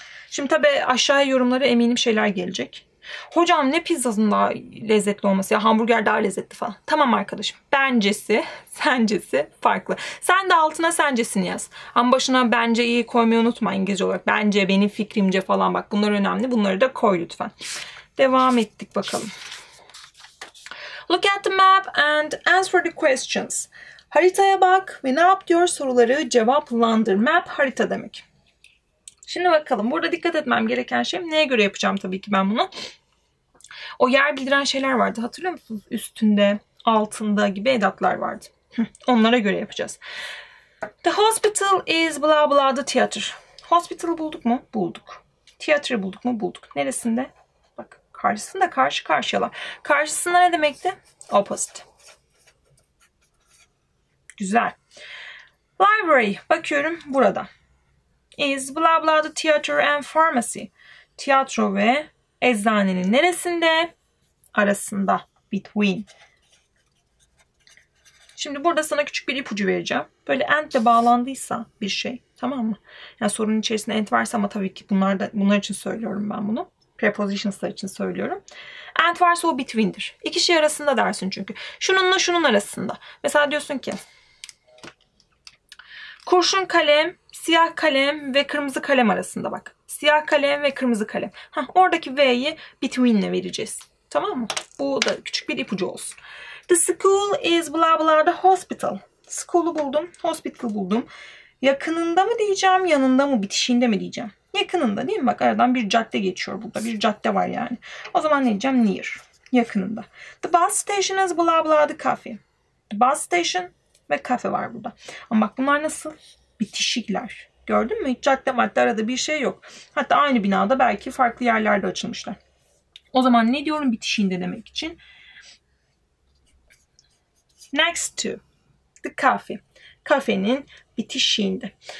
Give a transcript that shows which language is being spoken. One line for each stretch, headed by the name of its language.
Turkish: Şimdi tabii aşağıya yorumlara eminim şeyler gelecek. Hocam ne pizzasının daha lezzetli olması ya, hamburger daha lezzetli falan. Tamam arkadaşım. Bencesi, sencesi farklı. Sen de altına sencesini yaz. Ama başına bence iyi koymayı unutma İngilizce olarak. Bence, benim fikrimce falan, bak bunlar önemli. Bunları da koy lütfen. Devam ettik bakalım.
English: Look at the map and answer the questions.
Turkish: Haritaya bak ve ne yap diyor, soruları cevaplandır. Map harita demek. Şimdi bakalım. Burada dikkat etmem gereken şey, neye göre yapacağım tabii ki ben bunu. O yer bildiren şeyler vardı. Hatırlıyor musunuz? Üstünde, altında gibi edatlar vardı. Onlara göre yapacağız.
English: The hospital is blah blah the theater.
Turkish: Hospital bulduk mu? Bulduk. Theater bulduk mu? Bulduk. Neresinde? Bak, karşısında, karşı karşıyalar. Karşısında ne demekti? Opposite. Güzel. Library. Bakıyorum burada.
English: Is blah blah the theater and pharmacy.
Turkish: Tiyatro ve eczanenin neresinde? Arasında. Between. Şimdi burada sana küçük bir ipucu vereceğim. Böyle and ile bağlandıysa bir şey. Tamam mı? Yani sorunun içerisinde and varsa, ama tabii ki bunlar da, bunlar için söylüyorum ben bunu. Prepositionslar için söylüyorum. And varsa o between'dir. İki şey arasında dersin çünkü. Şununla şunun arasında. Mesela diyorsun ki kurşun kalem, siyah kalem ve kırmızı kalem arasında bak. Siyah kalem ve kırmızı kalem. Ha, oradaki V'yi between'le vereceğiz. Tamam mı? Bu da küçük bir ipucu olsun.
English: The school is blah blah the hospital.
Turkish: School'u buldum. Hospital buldum. Yakınında mı diyeceğim, yanında mı, bitişiğinde mi diyeceğim? Yakınında değil mi? Bak aradan bir cadde geçiyor burada. Bir cadde var yani. O zaman ne diyeceğim? Near. Yakınında.
English: The bus station is blah blah the cafe.
Turkish: The bus station ve kafe var burada. Ama bak bunlar nasıl? Bitişikler. Gördün mü? Hiç cadde madde arada bir şey yok. Hatta aynı binada belki farklı yerlerde açılmışlar. O zaman ne diyorum bitişiğinde demek için?
English: Next to the cafe.
Turkish: Kafenin bitişiğinde.